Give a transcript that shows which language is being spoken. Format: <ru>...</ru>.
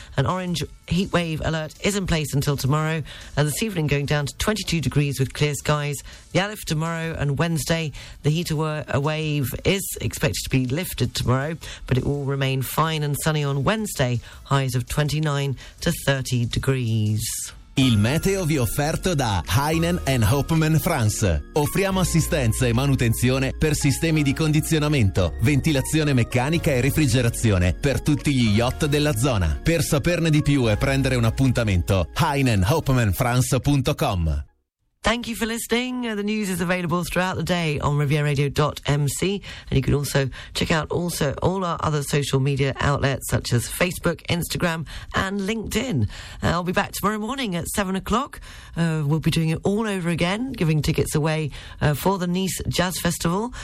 <en>An orange heatwave alert is in place until tomorrow, and this evening going down to 22 degrees with clear skies. The outlook for tomorrow and Wednesday, the heat wave is expected to be lifted tomorrow, but it will remain fine and sunny on Wednesday, highs of 29 to 30 degrees.</en> <it>Il meteo vi offerto da Heinen and Hopman France. Offriamo assistenza e manutenzione per sistemi di condizionamento, ventilazione meccanica e refrigerazione per tutti gli yacht della zona. Per saperne di più e prendere un appuntamento, heinenhopmanfrance.com.</it> <en>Thank you for listening. The news is available throughout the day on rivieraradio.mc, and you can also check out all our other social media outlets such as Facebook, Instagram and LinkedIn. I'll be back tomorrow morning at 7 o'clock. We'll be doing it all over again, giving tickets away for the Nice Jazz Festival.</en>